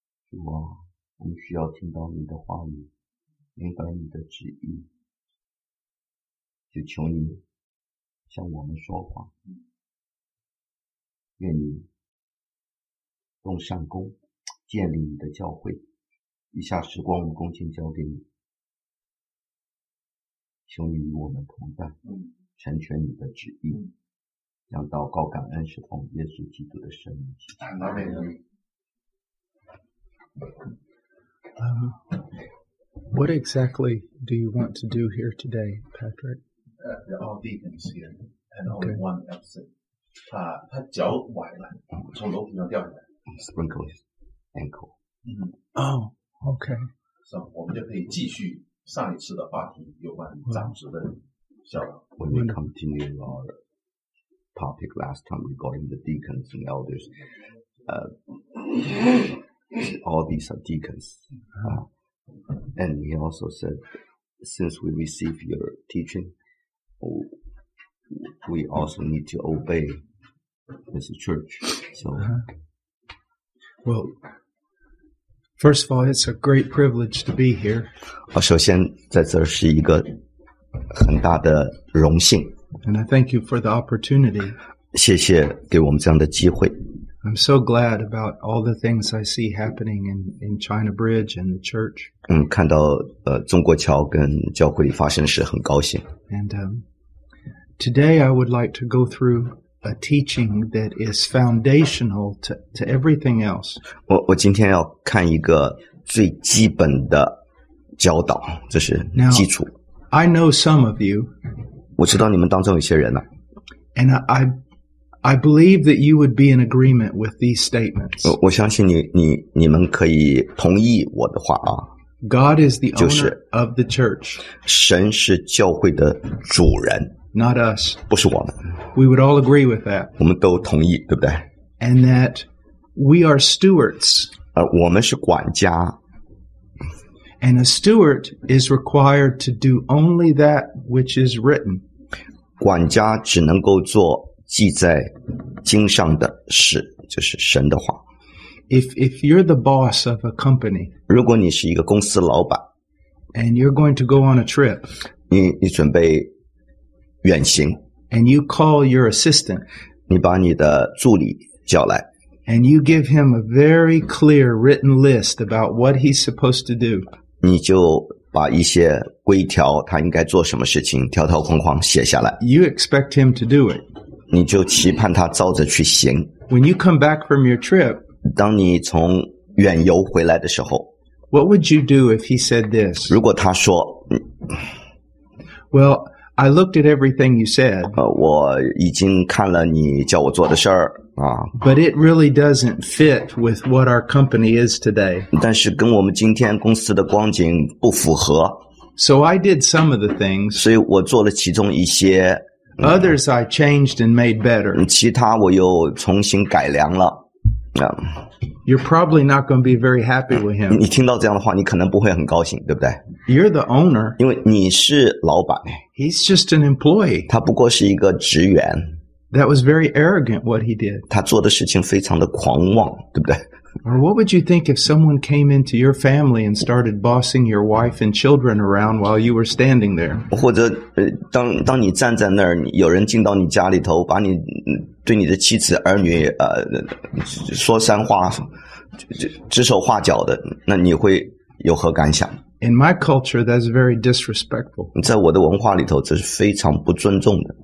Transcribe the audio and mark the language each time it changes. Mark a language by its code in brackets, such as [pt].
[zh] 主啊，我们需要听到你的话语，明白你的旨意，就求你向我们说话，愿你动善工建立你的教会。以下时光我们恭敬交给你，求你与我们同在，成全你的旨意，将祷告感恩是奉耶稣基督的圣名。 [en] What exactly do you want to do here today, Patrick? They're all deacons here, and only one else. [zh] 他脚崴了，从楼梯上掉下来。 [en] Sprinkle his ankle. Oh, okay. [zh] So, 我们就可以继续上一次的话题，有关长职的效果。 [en] When we continue our topic last time regarding the deacons and elders, all these are deacons. And he also said, since we receive your teaching, we also need to obey this church. So, Well, first of all, it's a great privilege to be here. [zh] 首先在这是一个很大的荣幸。 [en] And I thank you for the opportunity. [zh] 谢谢给我们这样的机会。 [en] I'm so glad about all the things I see happening in China Bridge and the church. [zh] 看到中国桥跟教会里发生的事很高兴。 [en] And today I would like to go through a teaching that is foundational to everything else. [zh] 我今天要看一个最基本的教导，这是基础。 [en] Now, I know some of you. [zh] 我知道你们当中有些人了。 [en] And I believe that you would be in agreement with these statements. [zh] 我相信你们可以同意我的话啊。 [en] God is the owner of the church. [zh] 神是教会的主人。 [en] Not us. [zh] 不是我们。 [en] We would all agree with that. [zh] 我们都同意，对不对？ [en] And that we are stewards. [zh] 我们是管家。 [en] And a steward is required to do only that which is written. [zh] 管家只能够做记在经上的事，就是神的话。 [en] If you're the boss of a company, [zh] 如果你是一个公司老板 [en] ，and you're going to go on a trip, [zh] 你准备远行 [en] ，and you call your assistant, [zh] 你把你的助理叫来 [en] ，and you give him a very clear written list about what he's supposed to do, [zh] 你就把一些规条，他应该做什么事情，条条框框写下来 [en] ，you expect him to do it. [zh] 你就期盼他照着去行。 [en] When you come back from your trip, [zh] 当你从远游回来的时候， [en] What would you do if he said this? [zh] 如果他说， [en] Well, I looked at everything you said. [zh] 我已经看了你叫我做的事儿啊。 [en] But it really doesn't fit with what our company is today. [zh] 但是跟我们今天公司的光景不符合。 [en] So I did some of the things. [zh] 所以我做了其中一些。 [en] Others I changed and made better. [zh] 其他我又重新改良了。 [en] You're probably not going to be very happy with him. [zh] 你听到这样的话，你可能不会很高兴，对不对？ [en] You're the owner. [zh] 因为你是老板。 [en] He's just an employee. [zh] 他不过是一个职员。 [en] That was very arrogant what he did. [zh] 他做的事情非常的狂妄，对不对？ [en] Or what would you think if someone came into your family and started bossing your wife and children around while you were standing there? [zh] 或者当你站在那儿，有人进到你家里头，把你对你的妻子儿女说三话，指手画脚的，那你会有何感想？ [en] In my culture, that's very disrespectful. [zh] 在我的文化里头，这是非常不尊重的。